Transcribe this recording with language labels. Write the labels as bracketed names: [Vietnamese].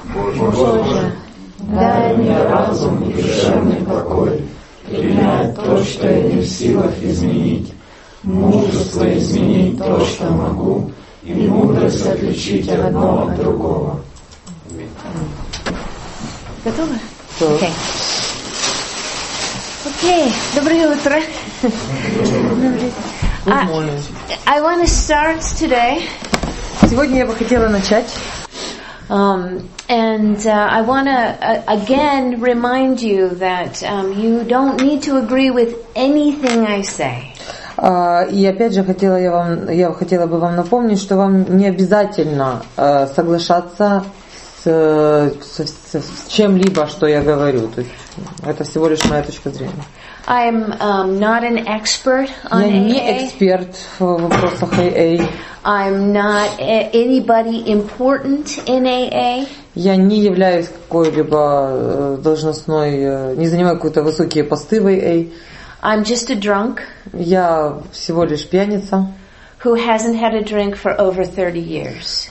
[Russian] Боже, дай мне разум и душевный покой, принять то, что я не в силах изменить, мужество изменить то, что могу, и мудрость отличить одно от другого. Готовы? Да. Окей. Окей, доброе утро. [English] I want to start today. [Russian] Сегодня я бы хотела начать. [English] I want to again remind you that you don't need to agree with anything I say. [Russian] И опять же хотела бы вам напомнить, что вам не обязательно соглашаться с чем-либо, что я говорю. То есть это всего лишь моя точка зрения. [English] I'm not an expert on AA. [Russian] Я не эксперт в вопросах AA. [English] I'm not anybody important in AA. [Russian] Я не являюсь какой-либо должностной, не занимаю какие-то высокие посты в AA. [English] I'm just a drunk. [Russian] Я всего лишь пьяница. [English] Who hasn't had a drink for over 30 years.